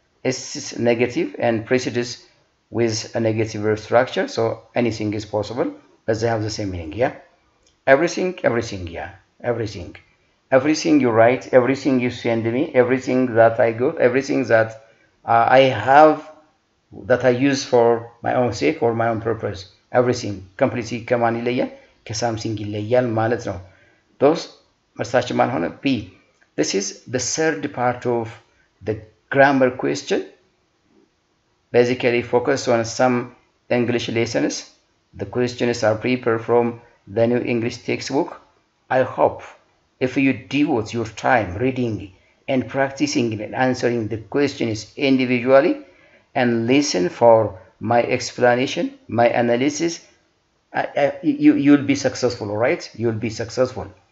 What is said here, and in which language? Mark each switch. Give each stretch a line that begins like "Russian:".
English: It's negative and precedes with a negative verb structure, so anything is possible, but they have the same meaning. Yeah, everything, everything, yeah, everything. Everything you write, everything you send me, everything that I go, everything that I have, that I use for my own sake or my own purpose, everything.
Amharic: Completely ከማን ይለያል? ከሳምሲንግ ይለያል ማለት ነው። ዶስ መርሳችን ማን ሆነ?
English: ቢ This is the third part of the grammar question. Basically focus on some English lessons. The questions are prepared from the new English textbook. I hope if you devote your time reading and practicing and answering the questions individually and listen for my explanation, my analysis, you'll be successful, right? You'll be successful.